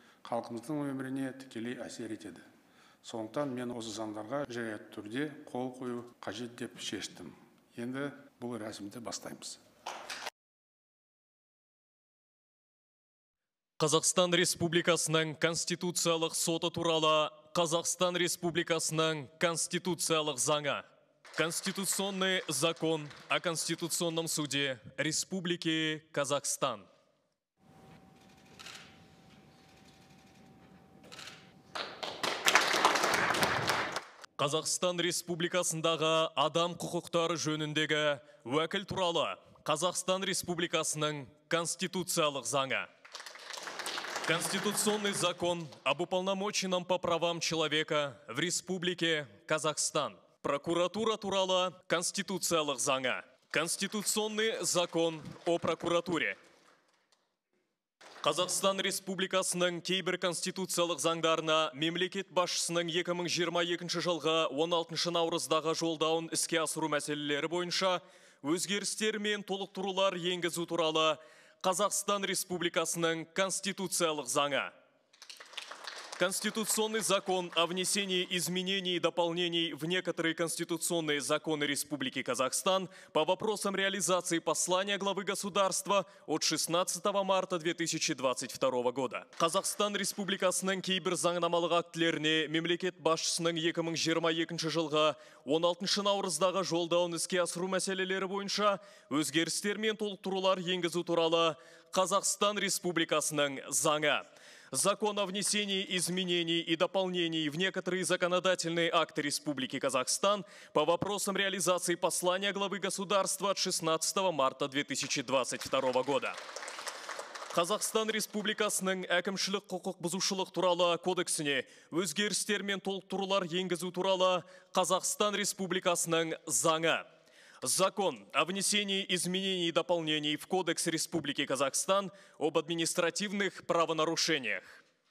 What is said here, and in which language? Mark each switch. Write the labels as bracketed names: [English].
[Kazakh] Халқымыздың өміріне тікелей әсер етеді. Сондықтан мен осы заңдарға жариялы түрде қол қою қажет деп шештім. Енді бұл рәсімді бастаймыз. Қазақстан Республикасының конституциялық соты туралы Қазақстан Республикасының конституциялық заңы. [Russian] Конституционный закон о конституционном суде Республики Казахстан. [Kazakh] Қазақстан Республикасындағы адам құқықтары жөніндегі уәкіл туралы Қазақстан Республикасының конституциялық заңы. [Russian] Конституционный закон об уполномоченном по правам человека в Республике Казахстан. [Kazakh] Прокуратура туралы конституциялық заңы. [Russian] Конституционный закон о прокуратуре. [Kazakh] Қазақстан Республикасының кейбір конституциялық заңдарына мемлекет басшысының 2022 жылғы 16 наурыздағы жолдауын іске асыру мәселелері бойынша өзгерістер мен толықтырулар енгізу туралы Қазақстан Республикасының конституциялық заңы. [Russian] Конституционный закон о внесении изменений и дополнений в некоторые конституционные законы Республики Казахстан по вопросам реализации послания главы государства от 16 марта 2022 года. [Kazakh] Казахстан Республикасының кейбір заңнамалық актілеріне мемлекет басшысының 2022 жылғы 16 наурыздағы жолдауын іске асыру мәселелері бойынша өзгерістер мен толықтырулар енгізу туралы Казахстан Республикасының заңы. [Russian] Закон о внесении изменений и дополнений в некоторые законодательные акты Республики Казахстан по вопросам реализации послания главы государства от 16 марта 2022 года. [Kazakh] Қазақстан Республикасының әкімшілік құқық бұзушылық туралы кодексіне өзгерістер мен толықтырулар енгізу туралы Қазақстан Республикасының заңы. [Russian] Закон о внесении изменений и дополнений в Кодекс Республики Казахстан об административных правонарушениях.